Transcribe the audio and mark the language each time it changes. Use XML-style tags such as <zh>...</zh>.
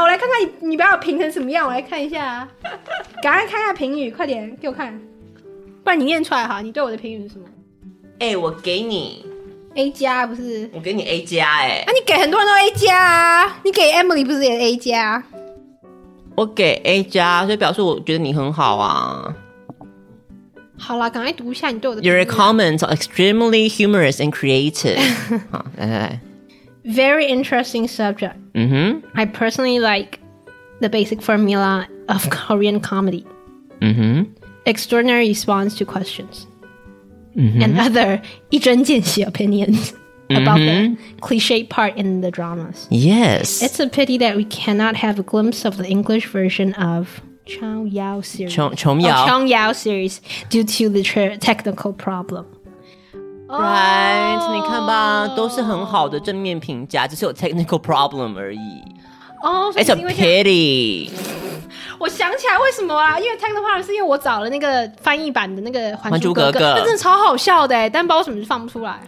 <zh>我来看看你把我评成什么样，我来看一下。赶快看一下评语，快点给我看，不然你念出来哈。你对我的评语是什么？哎、欸，我给你。 A 加不是？我给你 A 加哎、欸！那、啊、你给很多人都 A 加啊！你给 Emily 不是也 A 加？我给 A 加，所以表示我觉得你很好啊。好啦，赶快读一下你对我的。</zh> <en>Your comments are extremely humorous and creative.</en> <zh>好，来。</zh> <en>Very interesting subject. 嗯哼。 I personally like the basic formula of Korean comedy. 嗯哼。 Extraordinary response to questions. Mm-hmm. And other</en> <zh>一针见血</zh> <en>opinions about、mm-hmm. the cliche part in the dramas. Yes. It's a pity that we cannot have a glimpse of the English version of Chong Yao series. Chong Yao series due to the technical problem. Right.、Oh.</en> <zh>你看吧，都是很好的正面评价，只是有 technical problem 而已。</zh> <en>Oh, it's a pity.</en> <zh>我想起来为什么啊？因为 technical problem 是因为我找了那个翻译版的那个《 还珠格格》，那真的超好笑的，但不知道为什么放不出来。</zh>